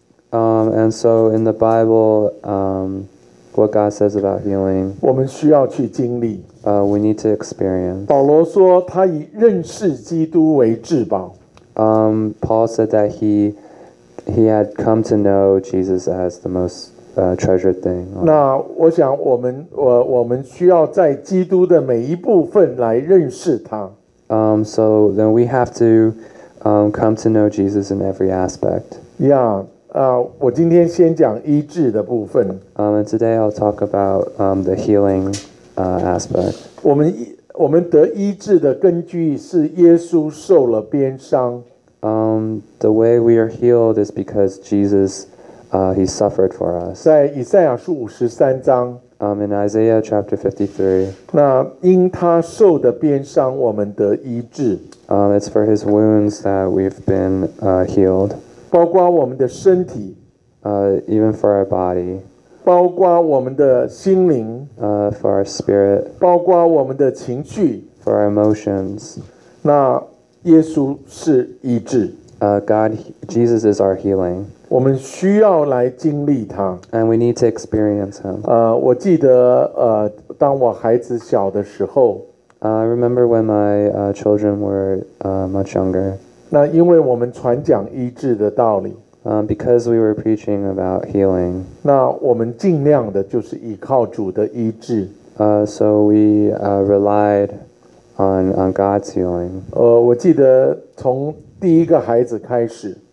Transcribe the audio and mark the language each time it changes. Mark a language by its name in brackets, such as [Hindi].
[English] And so in the Bible, what God says about healing, [Chinese] 我们需要去经历。 [English] We need to experience. [Chinese] 保罗说他以认识基督为至宝。 [English] Paul said that he had come to know Jesus as the most treasured thing. [Chinese] 那我想我们需要在基督的每一部分来认识他。 [English] So then we have to come to know Jesus in every aspect. Yeah. [Chinese] 我今天先讲医治的部分。 [English] And today I'll talk about the healing aspect. [Chinese] 我们得医治的根据是耶稣受了鞭伤。 [English] The way we are healed is because Jesus, he suffered for us. [Chinese] 在以赛亚书53章。 [English] In Isaiah chapter 53. [Chinese] 那因他受的鞭伤，我们得医治。 [English] It's for his wounds that we've been healed. [Chinese] 包括我们的身体 [English] even for our body, [Chinese] 包括我们的心灵 [English] for our spirit, [Chinese] 包括我们的情绪 [English] for our emotions, [Chinese] 那耶稣是医治 [English] God, Jesus is our healing, [Chinese] 我们需要来经历他 [English] and we need to experience him. [Chinese] 我记得当我孩子小的时候 [English] I remember when my children were much younger. [Chinese] 那因为我们传讲医治的道理。 [English] Because we were preaching about healing. [Chinese] 那我们尽量的就是依靠主的医治。 [English] So we relied on God's healing. [Chinese] 我记得从第一个孩子开始。